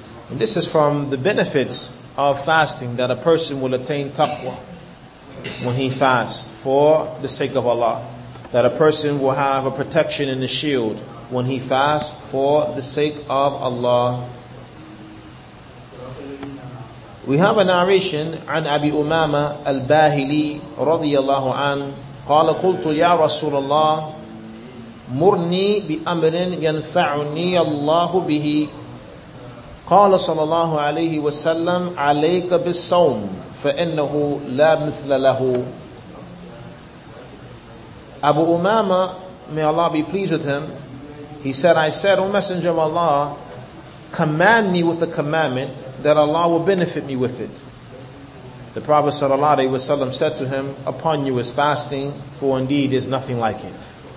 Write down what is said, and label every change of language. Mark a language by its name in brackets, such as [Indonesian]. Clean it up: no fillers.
[English] And this is from the benefits of fasting, that a person will attain taqwa when he fasts for the sake of Allah. That a person will have a protection and a shield when he fasts for the sake of Allah. We have a narration, [Arabic] عن أبي أمامة الباهلي رضي الله عنه قال قلت يا رسول الله مرني بأمر ينفعني الله به قال صلى الله عليه وسلم عليك بالصوم فإنه لا مثل له. [English] Abu Umama, may Allah be pleased with him, he said, I said, O Messenger of Allah, command me with a commandment that Allah will benefit me with it. The Prophet sallallahu alaihi wasallam said to him, upon you is fasting, for indeed there's nothing like it.